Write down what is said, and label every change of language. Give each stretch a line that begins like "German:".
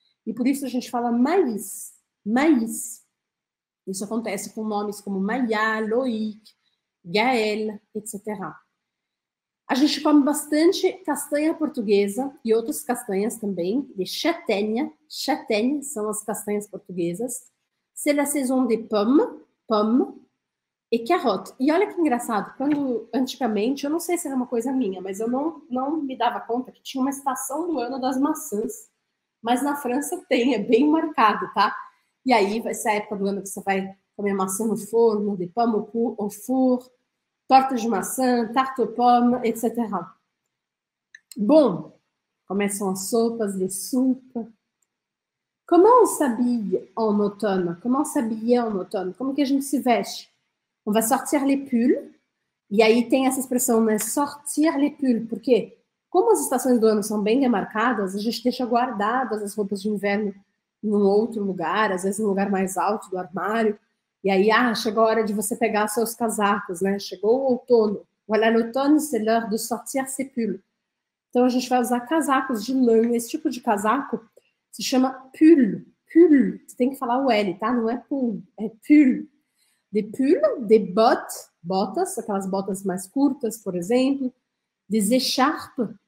Portuguese: E por isso a gente fala maïs, maïs. Isso acontece com nomes como Maya, Loïc, Gaël, etc. A gente come bastante castanha portuguesa e outras castanhas também, de châtaigne. Châtaigne são as castanhas portuguesas.
French: C'est la saison des pommes et carottes.
Portuguese: E olha que engraçado, quando antigamente, eu não sei se era uma coisa minha, mas eu não me dava conta que tinha uma estação do ano das maçãs. Mas na França tem, é bem marcado, tá? E aí vai ser a época do ano que você vai comer maçã no forno,
French: de pommes au four.
Portuguese: Torta de maçã,
French: tarte aux pommes,
Portuguese: etc. Bom, começam as sopas,
French: les soupes. Comment on s'habille en automne? Comment s'habiller en automne?
Portuguese: Como que a gente se veste?
French: On va sortir les pulls.
Portuguese: E aí tem essa expressão, né?
French: Sortir les pulls.
Portuguese: Porque, como as estações do ano são bem demarcadas, a gente deixa guardadas as roupas de inverno num outro lugar, às vezes num lugar mais alto do armário. E aí, chegou a hora de você pegar seus casacos, né? Chegou o outono.
French: Voilà l'automne, c'est l'heure de sortir ses pulls.
Portuguese: Então, a gente vai usar casacos de lã. Esse tipo de casaco se chama pull. Pull. Você tem que falar o L, tá? Não é pull, é pull.
French: Des pulls, des bottes,
Portuguese: botas, aquelas botas mais curtas, por exemplo.
French: Des écharpes.